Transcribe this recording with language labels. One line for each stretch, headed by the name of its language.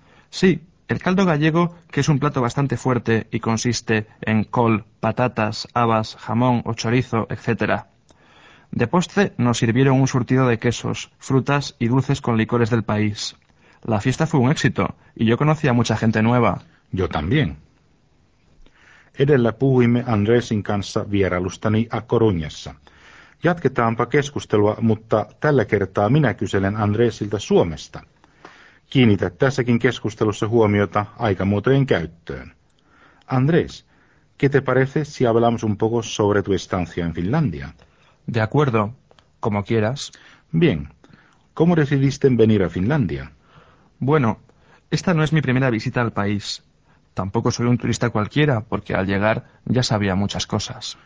Spanish: Sí, el caldo gallego, que es un plato bastante fuerte y consiste en col, patatas, habas, jamón o chorizo, etc. De postre nos sirvieron un surtido de quesos, frutas y dulces con licores del país. La fiesta fue un éxito y yo conocí a mucha gente nueva. Yo también.
Finnish: Edellä puhuimme Andresin kanssa vierailustani a Coruñassa. Jatketaanpa keskustelua, mutta tällä kertaa minä kyselen Andresilta Suomesta. Kiinnitä tässäkin keskustelussa huomiota aikamuotojen käyttöön.
Spanish: Andrés, ¿qué te parece si hablamos un poco sobre tu estancia en Finlandia? De acuerdo, como quieras. Bien, ¿cómo decidiste venir a Finlandia? Bueno, esta no es mi primera visita al país. Tampoco soy un turista cualquiera, porque al llegar ya sabía muchas cosas.